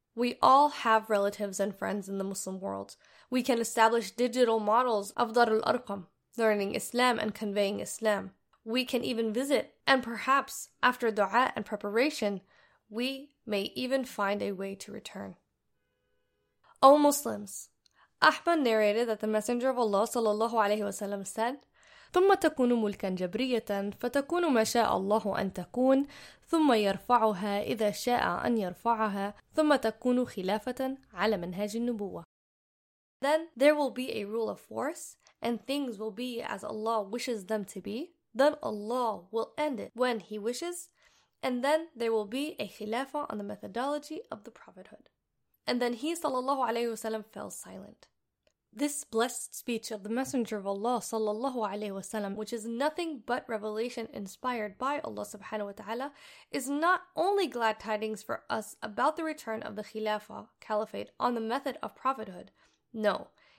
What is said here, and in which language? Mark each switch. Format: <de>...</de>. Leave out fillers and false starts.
<en>We all have relatives and friends in the Muslim world. We can establish digital models of Darul Arqam, learning Islam and conveying Islam. We can even visit, and perhaps after dua and preparation, we may even find a way to return. O Muslims, Ahmad narrated that the Messenger of Allah ﷺ said,</en> <ar>ثم تكون ملكا جبرية فتكون ما شاء الله أن تكون، ثم يرفعها إذا شاء أن يرفعها، ثم تكون خلافة على منهج النبوة.</ar> <en>Then there will be a rule of force and things will be as Allah wishes them to be. Then Allah will end it when He wishes. And then there will be a khilafah on the methodology of the prophethood. And then he, sallallahu alayhi wasallam, fell silent. This blessed speech of the Messenger of Allah, sallallahu alayhi wasallam, which is nothing but revelation inspired by Allah subhanahu wa ta'ala, is not only glad tidings for us about the return of the khilafah, caliphate, on the method of prophethood. No.</en>